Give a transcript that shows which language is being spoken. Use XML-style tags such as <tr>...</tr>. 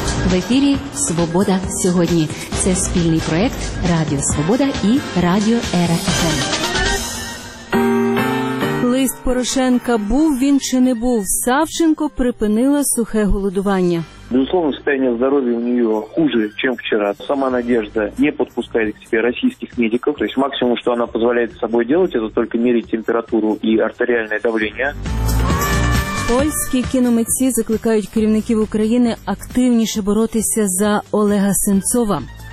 <uk>в ефірі «Свобода сьогодні». Це спільний проєкт «Радіо Свобода» і «Радіо РФМ». Лист Порошенка був він чи не був, Савченко припинила сухе голодування.</uk> <ru>Безусловно, состояние здоровья у нее хуже, чем вчера. Сама Надежда не подпускает к себе российских медиков. То есть максимум, что она позволяет с собой делать, это только мерить температуру и артериальное давление.</ru> <uk>Польські кіномитці закликають керівників України активніше боротися за Олега Сенцова.</uk>